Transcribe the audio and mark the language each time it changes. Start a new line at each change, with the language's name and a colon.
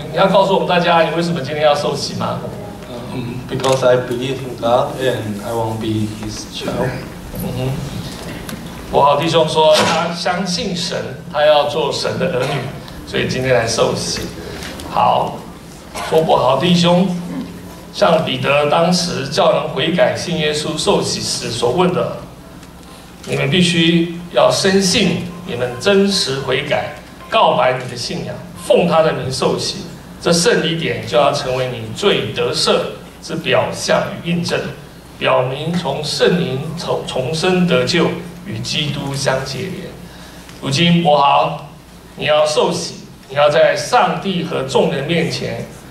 Chinese: 你要告诉我们大家你为什么今天要受洗吗?
English: Because I believe in God and I want to be his child.
Chinese: 伯豪弟兄说他相信神，他要做神的儿女，所以今天来受洗。好，说伯豪弟兄。像彼得当时叫人悔改信耶稣受洗时所问的，你们必须要深信你们真实悔改，告白你的信仰，奉他的名受洗，这圣礼典就要成为你罪得赦之表象与印证，表明从圣灵重生得救与基督相结连。如今伯豪，你要受洗，你要在上帝和众人面前。